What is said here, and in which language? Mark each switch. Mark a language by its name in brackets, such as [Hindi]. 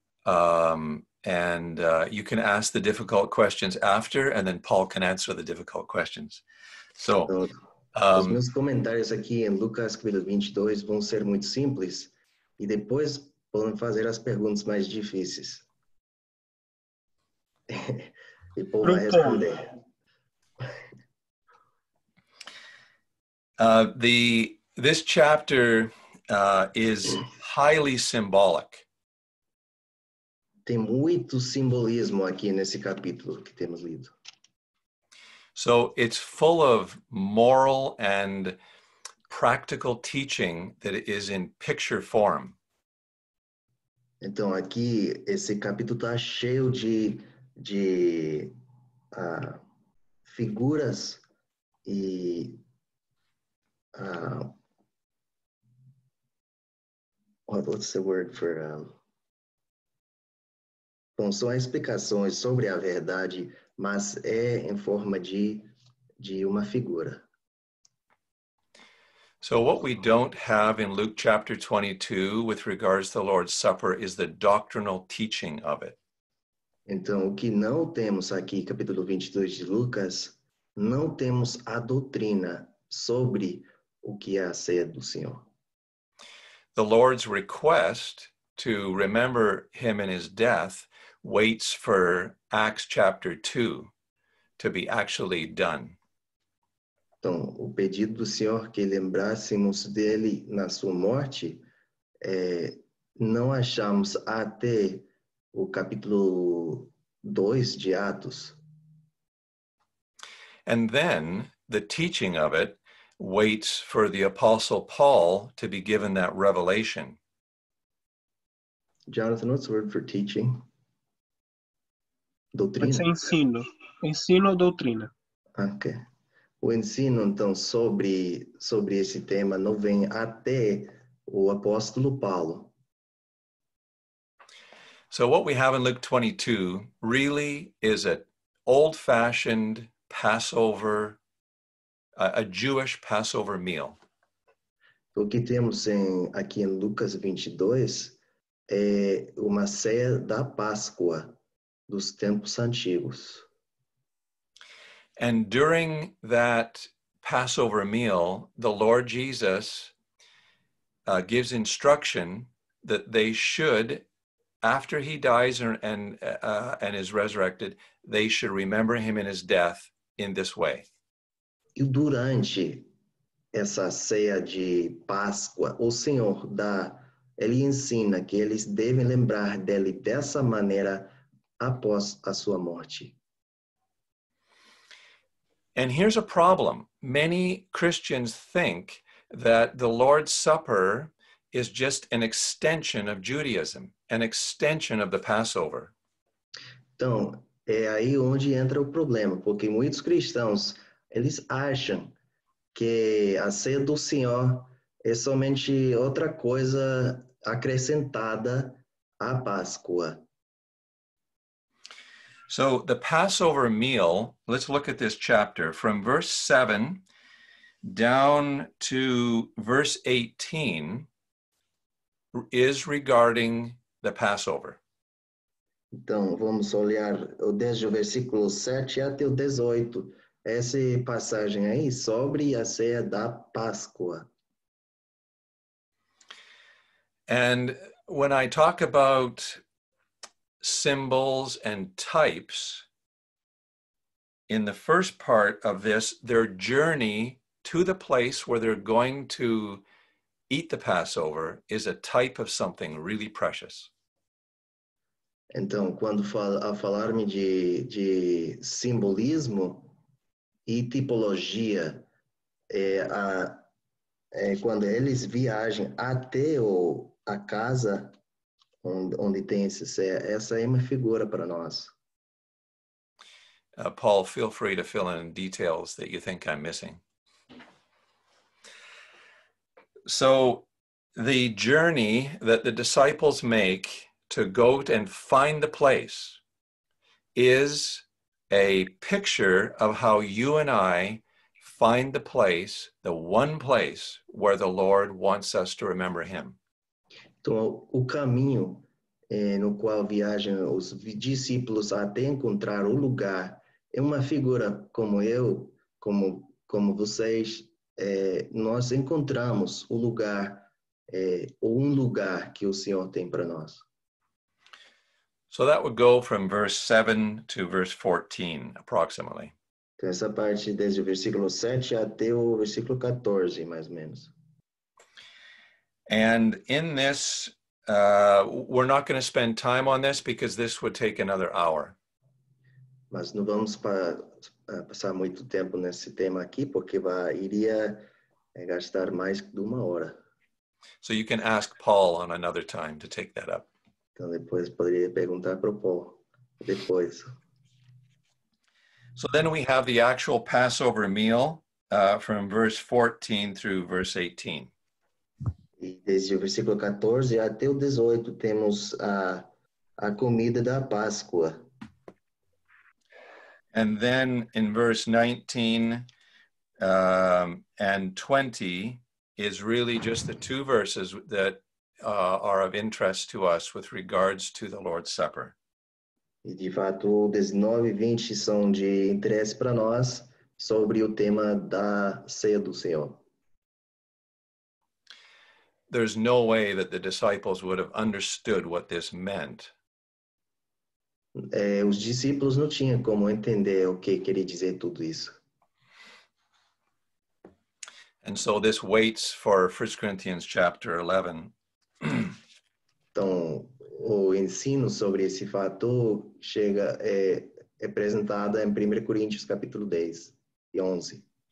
[English] You can ask the difficult questions after, and then Paul can answer the difficult questions. So, [Portuguese] os meus comentários aqui em Lucas 22 vão ser muito simples, e depois podem fazer as perguntas mais difíceis. E Paul vai responder. [English] This chapter is highly symbolic. [Portuguese] Tem muito simbolismo aqui nesse capítulo que temos lido. [English] So it's full of moral and practical teaching that is in picture form. [Portuguese] Então aqui esse capítulo está cheio de figuras e [English] what's the word for [Portuguese] Bom, são explicações sobre a verdade, mas é em forma de uma figura. [English] So what we don't have in Luke chapter 22 with regards to the Lord's Supper is the doctrinal teaching of it. [Portuguese] Então, o que não temos aqui, capítulo 22 de Lucas, não temos a doutrina sobre o que é a ceia do Senhor. [English] The Lord's request to remember him in his death waits for Acts chapter 2 to be actually done. [Portuguese] Então, o pedido do Senhor que lembrássemos dele na sua morte, não achamos até o capítulo 2 de Atos. [English] And then the teaching of it waits for the Apostle Paul to be given that revelation. Jonathan, what's the word for teaching? Doutrina. [Portuguese] Esse é ensino. Ensino ou doutrina? Ok. O ensino, então, sobre esse tema não vem até o apóstolo Paulo. [English] So what we have in Luke 22 really is an old-fashioned Passover, a Jewish Passover meal. [Portuguese] O que temos aqui em Lucas 22 é uma ceia da Páscoa. Dos tempos antigos. [English] And during that Passover meal, the Lord Jesus gives instruction that they should, after he dies and is resurrected, they should remember him in his death in this way. [Portuguese] E durante essa ceia de Páscoa, o Senhor ele ensina que eles devem lembrar dele dessa maneira. Após a sua morte. [English] And here's a problem. Many Christians think that the Lord's Supper is just an extension of Judaism, an extension of the Passover. [Portuguese] Então, é aí onde entra o problema, porque muitos cristãos, eles acham que a ceia do Senhor é somente outra coisa acrescentada à Páscoa. [English] So the Passover meal, let's look at this chapter from verse 7 down to verse 18 is regarding the Passover. [Portuguese] Então, vamos olhar desde o versículo 7 até o 18, essa passagem aí sobre a ceia da Páscoa. [English] And when I talk about symbols and types in the first part of this, their journey to the place where they're going to eat the Passover is a type of something really precious. [Portuguese] Então, quando falar-me de simbolismo E tipologia é quando eles viajam até a casa onde tem essa é uma figura para nós. [English] Paul, feel free to fill in details that you think I'm missing. So the journey that the disciples make to go and find the place is a picture of how you and I find the place, the one place where the Lord wants us to remember him. [Portuguese] Então, o caminho no qual viajam os discípulos até encontrar o lugar é uma figura como eu, como vocês, nós encontramos o lugar ou lugar que o Senhor tem para nós. [English] So that would go from verse 7 to verse 14, approximately. [Portuguese] Essa parte desde o versículo 7 até o versículo 14, mais ou menos. [English] And in this, we're not going to spend time on this because this would take another hour. [Portuguese] Mas não vamos passar muito tempo nesse tema aqui porque iria gastar mais de uma hora. [English] So you can ask Paul on another time to take that up. [Portuguese] Então depois poderia perguntar para o Paul, depois. [English] So then we have the actual Passover meal from verse 14 through verse 18. [Portuguese] E desde o versículo 14 até o 18 temos a comida da Páscoa. [English] And then in verse 19 and 20 is really just the two verses that are of interest to us with regards to the Lord's Supper. [Portuguese] E de fato, 19 e 20 são de interesse para nós sobre o tema da ceia do Senhor. [English] There's no way that the disciples would have understood what this meant. [Portuguese] Os discípulos não tinham como entender o que queria dizer tudo isso. [English] And so this waits for 1 Corinthians chapter 11. [Portuguese] Então, o ensino sobre esse fato chega é apresentado em 1 Coríntios capítulo 10 e 11.